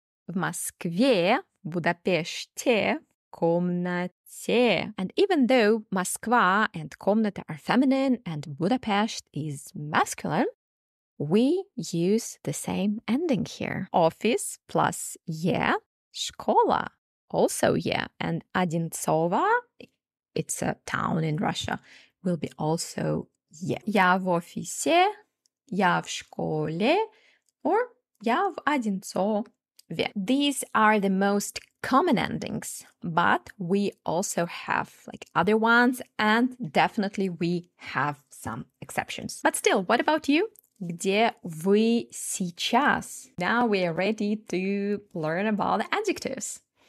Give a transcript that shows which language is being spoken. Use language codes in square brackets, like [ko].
[ru] В Москве, Будапеште, комнате. [en] And even though Москва and комната are feminine and Budapest is masculine, we use the same ending here. Office plus е, школа, also е, and Одинцова, it's a town in Russia, will be also е. [ru] Я в офисе, я в школе, or я в Одинцове. [en] These are the most common endings, but we also have like other ones, and definitely we have some exceptions. But still, what about you? [ru] Где вы сейчас? [en] Now we are ready to learn about the adjectives.